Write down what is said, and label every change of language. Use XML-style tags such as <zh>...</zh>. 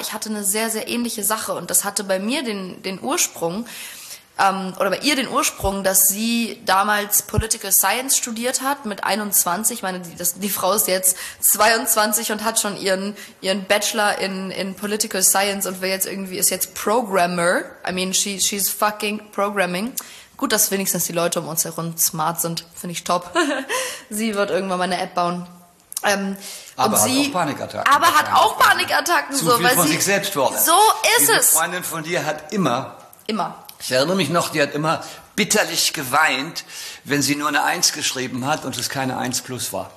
<de>Ich hatte eine sehr, sehr ähnliche Sache und das hatte bei mir den Ursprung, oder bei ihr den Ursprung, dass sie damals Political Science studiert hat mit 21. Ich meine, die Frau ist jetzt 22 und hat schon ihren Bachelor in Political Science und ist jetzt Programmer.</de> <en>I mean, she's fucking programming.</en> <de>Gut, dass wenigstens die Leute um uns herum smart sind. Finde ich top. Sie wird irgendwann mal eine App bauen. Aber hat auch Panikattacken. So viel von sich selbst worden. So ist es. Die Freundin von dir hat immer... Immer. Ich erinnere mich noch, die hat immer bitterlich geweint, wenn sie nur eine 1 geschrieben hat und es keine 1 plus war.</de>